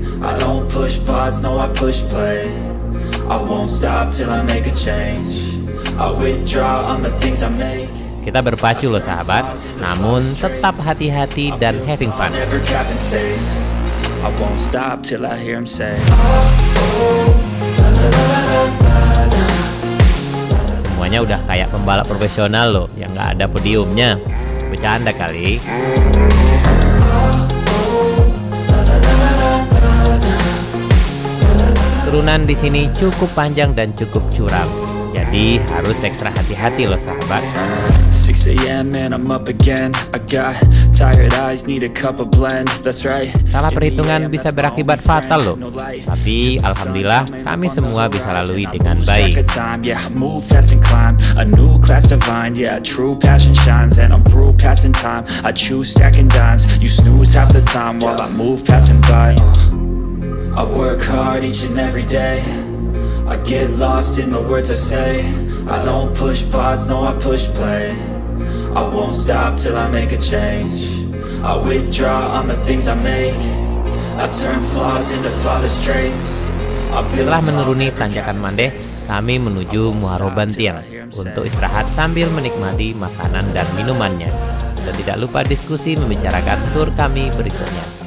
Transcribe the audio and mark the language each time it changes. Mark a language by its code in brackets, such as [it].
[en] I don't push pause, no, I push play. I won't stop till I make a change. I withdraw on the things I make. [id] Kita berpacu loh sahabat, namun tetap hati-hati dan [en] having fun. I won't stop till I hear him say. [id] Semuanya udah kayak pembalap profesional loh, yang nggak ada podiumnya. Bercanda kali. Turunan di sini cukup panjang dan cukup curam. Jadi harus ekstra hati-hati loh sahabat. [en] 6 a.m. and I'm up again. I got tired eyes, need a cup of blend. That's right. [id] Salah perhitungan bisa berakibat fatal loh. Tapi alhamdulillah kami semua bisa lalui dengan baik. [en] Move fast and climb. A new class divine. Yeah, true passion shines and I'm through passing time. I choose stacking dimes. You snooze half the time while I move passing by. I work hard each and every day. I get lost in the words I say. I don't push pause, no, I push play. I won't stop till I make a change. I withdraw on the things I make. I turn flaws into flawless traits. [id] Setelah menuruni tanjakan Mandeh, kami menuju Muaro Bantiang untuk istirahat sambil menikmati makanan dan minumannya. Dan tidak lupa diskusi membicarakan tur kami berikutnya.